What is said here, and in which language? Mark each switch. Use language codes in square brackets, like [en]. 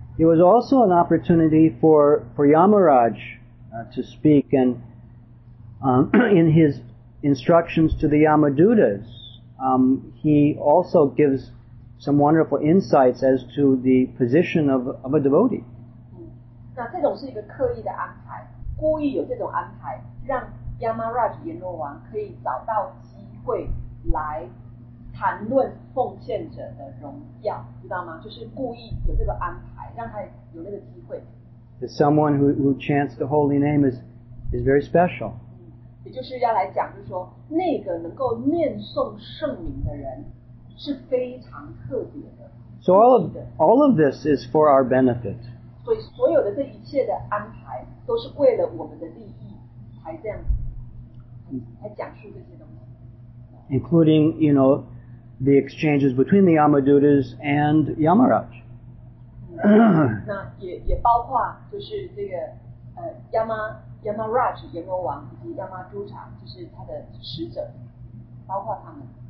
[en] It was also an opportunity for Yamaraj to speak, and in his instructions to the Yamadutas, he also gives some wonderful insights as to the position of a devotee. [zh] 那这种是一个刻意的安排，故意有这种安排，让Yamaraj阎罗王可以找到机会来 谈论奉献者的荣耀，知道吗？就是故意有这个安排，让他有那个机会。 [en] Someone who chants the holy name is is very special. [zh] 也就是要来讲，就是说那个能够念诵圣名的人是非常特别的。 [en] So all of this is for our benefit. [zh] 所以所有的这一切的安排都是为了我们的利益才这样来讲述这些东西。 [en] Including, you know, the exchanges between the Yamadutas and Yamaraj. [zh] 那也包括就是这个Yamaraj 阎罗王以及 Yamadutta 就是他的使者，包括他们。